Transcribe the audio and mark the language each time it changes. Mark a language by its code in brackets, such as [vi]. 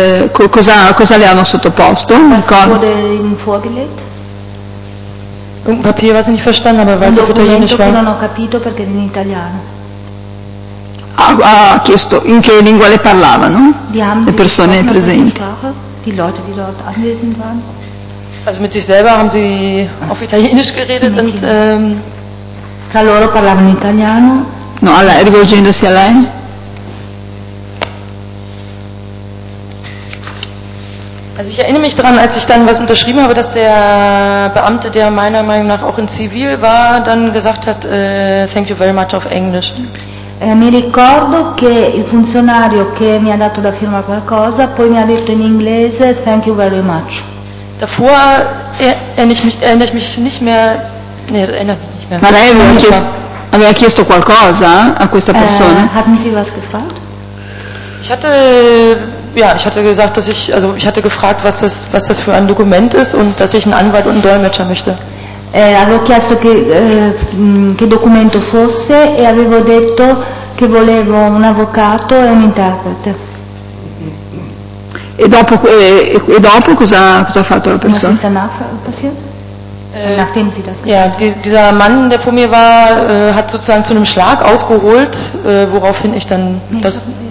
[it] Cosa le hanno sottoposto? [de] Un papier, was ich nicht verstanden habe, weil es auf italienisch war. [it] Un documento che non ho capito perché è in italiano. Ha chiesto in che lingua le parlavano le persone presenti. [de] Die Leute, die dort anwesend waren. Also mit sich selber haben sie auf Italienisch geredet und [it] tra loro parlavano italiano. No, alla, rivolgendosi a lei. [de] Also ich erinnere mich daran, als ich dann was unterschrieben habe, dass der Beamte, der meiner Meinung nach auch in Zivil war, dann gesagt hat, [en] thank you very much [de] auf Englisch. [it] Mi ricordo che il funzionario che mi ha dato da firmare qualcosa poi mi ha detto in inglese [en] thank you very much. [de] Davor erinnere ich mich nicht mehr. [it] Ma lei aveva chiesto qualcosa a questa persona? [de] Hatten Sie was gefragt? Ich hatte gesagt, dass ich, also ich hatte gefragt, was das für ein Dokument ist und dass ich einen Anwalt und einen Dolmetscher möchte. [it] Avevo chiesto che documento fosse e avevo detto che volevo un avvocato e un interprete. E dopo cosa ha fatto la persona? [de] Was ist danach passiert? Nachdem sie das gesagt hat. Ja, dieser Mann, der vor mir war, hat sozusagen zu einem Schlag ausgeholt, woraufhin ich dann das.